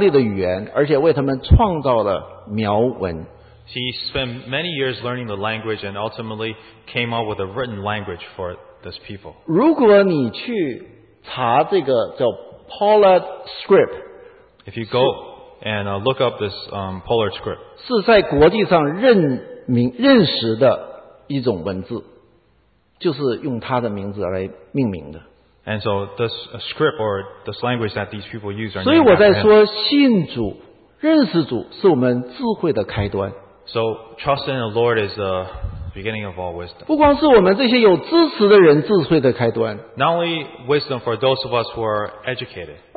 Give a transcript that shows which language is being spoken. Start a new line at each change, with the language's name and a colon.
Chinese: 他用多年的时间学当地的语言，而且为他们创造了苗文。
English: He spent many years learning the language and ultimately came up with a written language for this people.
Chinese: 如果你去查这个叫 Pollard script,
English: if you go and look up this Pollard script,
Chinese: 是在国际上认识的。一种文字，就是用他的名字来命名的。
English: And so this script or this language that these people use are.
Chinese: 所以我在说，信主、认识主是我们智慧的开端。
English: So trusting the Lord is the beginning of all wisdom.
Chinese: 不光是我们这些有知识的人智慧的开端。
English: Not only wisdom for those of us who are educated.